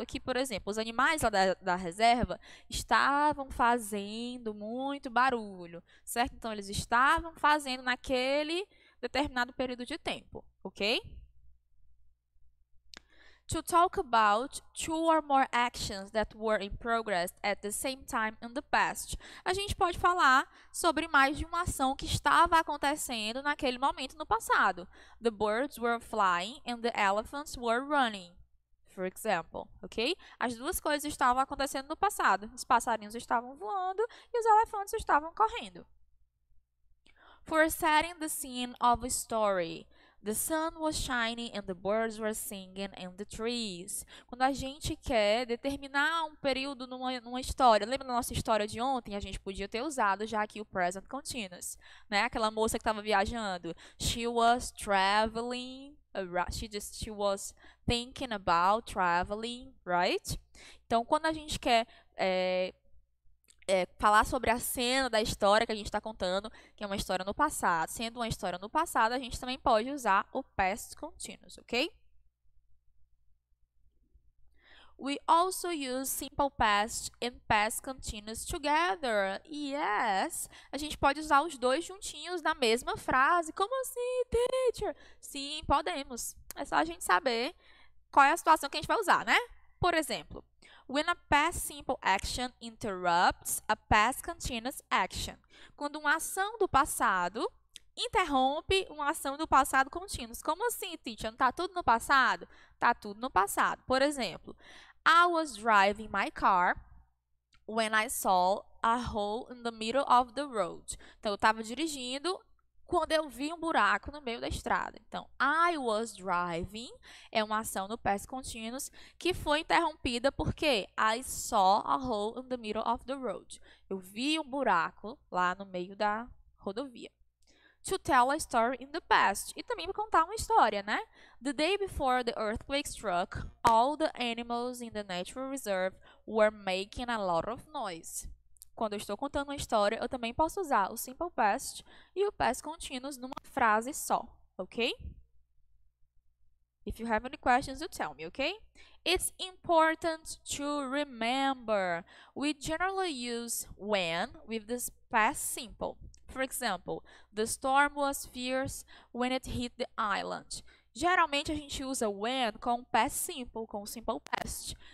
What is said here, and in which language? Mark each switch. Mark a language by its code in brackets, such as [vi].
[pt] Aqui, por exemplo, os animais lá da reserva estavam fazendo muito barulho, certo? Então, eles estavam fazendo naquele determinado período de tempo, ok? [en] To talk about two or more actions that were in progress at the same time in the past. [pt] A gente pode falar sobre mais de uma ação que estava acontecendo naquele momento no passado. [en] The birds were flying and the elephants were running, for example. [pt] Okay? As duas coisas estavam acontecendo no passado. Os passarinhos estavam voando e os elefantes estavam correndo. [en] For setting the scene of a story. The sun was shining and the birds were singing in the trees. [pt] Quando a gente quer determinar um período numa história, lembra da nossa história de ontem? A gente podia ter usado já aqui o present continuous, né? Aquela moça que estava viajando. [en] She was traveling, she was thinking about traveling, right? [pt] Então, quando a gente quer falar sobre a cena da história que a gente está contando, que é uma história no passado. Sendo uma história no passado, a gente também pode usar o past continuous, ok? [en] We also use simple past and past continuous together. Yes! [pt] A gente pode usar os dois juntinhos na mesma frase. Como assim, teacher? Sim, podemos. É só a gente saber qual é a situação que a gente vai usar, né? Por exemplo, [en] when a past simple action interrupts a past continuous action. [pt] Quando uma ação do passado interrompe uma ação do passado contínuo. Como assim, teacher? Não está tudo no passado? Está tudo no passado. Por exemplo, [en] I was driving my car when I saw a hole in the middle of the road. [pt] Então, eu estava dirigindo quando eu vi um buraco no meio da estrada. Então, [en] I was driving [pt] é uma ação no past continuous que foi interrompida porque [en] I saw a hole in the middle of the road. [pt] Eu vi um buraco lá no meio da rodovia. [en] to tell a story in the past. [pt] E também para contar uma história, né? [en] The day before the earthquake struck, all the animals in the natural reserve were making a lot of noise. [pt] Quando eu estou contando uma história, eu também posso usar o simple past e o past continuous numa frase só, ok? [en] If you have any questions, you tell me, ok? It's important to remember. We generally use when with this past simple. For example, the storm was fierce when it hit the island. [pt] Geralmente, a gente usa when com past simple, com simple past.